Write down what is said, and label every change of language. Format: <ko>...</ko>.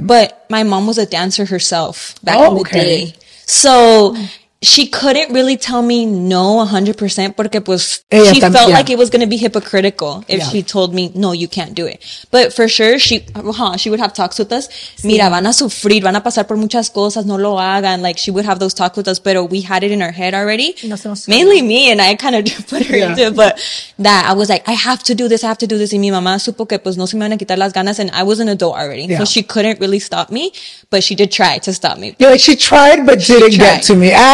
<en>But my mom was a dancer herself back in the day. So she couldn't really tell me no 100%</en> <es>porque pues</es> <en>she felt like it was going to be hypocritical if she told me, no, you can't do it. But for sure, she would have talks with us.</en> <es>Mira, van a sufrir, van a pasar por muchas cosas, no lo hagan.</es> <en>Like, she would have those talks with us,</en> <es>pero</es> <en>we had it in our head already. Mainly me, and I kind of put her into it, but that I was like, I have to do this, I have to do this.</en> <es>Y mi mamá supo que pues no se me van a quitar las ganas,</es> <en>and I was an adult already. Yeah. So she couldn't really stop me, but she did try to stop me. Yeah, like, she tried, but she didn't get to me.</en>